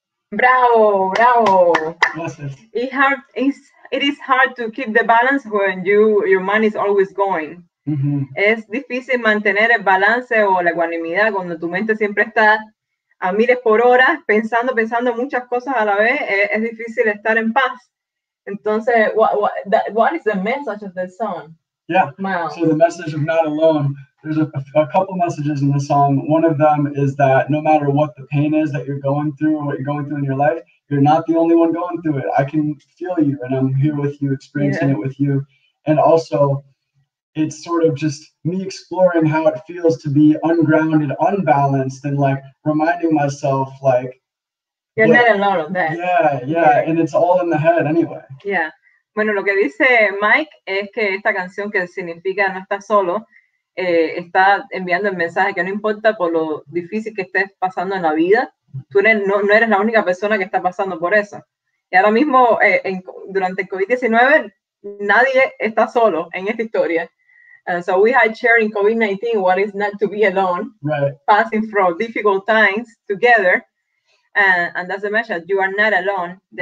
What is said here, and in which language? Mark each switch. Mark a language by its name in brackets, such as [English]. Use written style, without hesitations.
[Spanish] Bravo, bravo. Gracias. [English] It is hard to keep the balance when your mind is always going. Mm-hmm. [Spanish] Es difícil mantener el balance o la ecuanimidad cuando tu mente siempre está a miles por hora, pensando muchas cosas a la vez. Es difícil estar en paz. [English] Entonces, what is the message of this song? Yeah, wow. So the message of Not Alone, there's a couple messages in the song. One of them is that no matter what the pain is that you're going through or what you're going through in your life, you're not the only one going through it. I can feel you and I'm here with you, experiencing it with you. And also, it's sort of just me exploring how it feels to be ungrounded, unbalanced, and like reminding myself like... You're not alone on that. Yeah. Okay. And it's all in the head anyway. Yeah. [Spanish] Bueno, lo que dice Mike es que esta canción que significa no estás solo, está enviando el mensaje que no importa por lo difícil que estés pasando en la vida, tú no eres la única persona que está pasando por eso. Y ahora mismo, durante el COVID-19, nadie está solo en esta historia. [English] So we had shared in COVID-19 what is not to be alone, right? Passing through difficult times together. And that's the message, you are not alone.